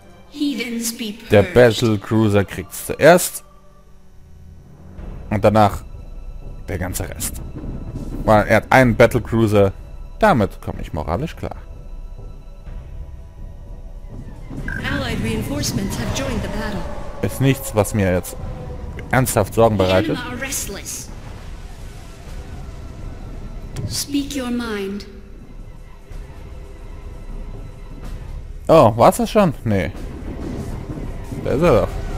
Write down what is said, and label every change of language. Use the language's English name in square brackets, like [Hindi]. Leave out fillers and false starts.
[English] Heathens be purged. [German] Der Battle Cruiser kriegt's zuerst. Und danach der ganze Rest. Weil er hat einen Battle Cruiser. Damit komme ich moralisch klar. [English] Allied reinforcements have joined the battle. [German] Ist nichts, was mir jetzt ernsthaft Sorgen bereitet. [English] Speak your mind. [German] Oh, war's das schon? Nee. Da ist er doch.